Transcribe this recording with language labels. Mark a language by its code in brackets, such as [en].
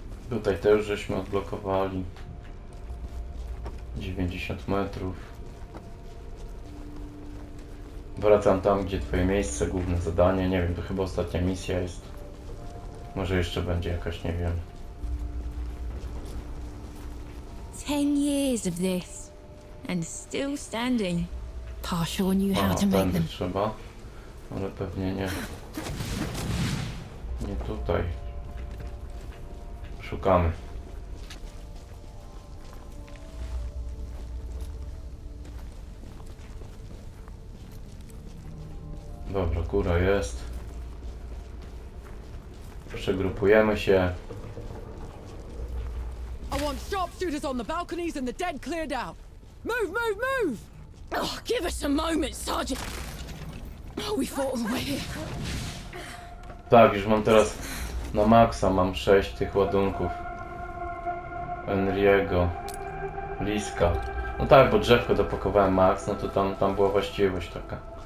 [pl] Tutaj też żeśmy odblokowali 90 metrów. Wracam tam, gdzie twoje miejsce, główne zadanie. Nie wiem, to chyba ostatnia misja jest. Może jeszcze będzie jakaś, nie wiem. [en] 10 years of this and still standing. Partial knew how to make them. [pl] Trzeba, ale pewnie nie. Nie tutaj. Szukamy. Dobra, góra jest. Przegrupujemy się. [en] I want sharpshooters on the balconies and the dead cleared out. Move, move, move! Oh, give us a moment, Sergeant. Oh, we fought all the way here. [pl] Tak, już mam teraz na maksa, mam 6 tych ładunków. Enriego, Liska. No tak, bo drzewko dopakowałem max, no to tam była właściwość taka.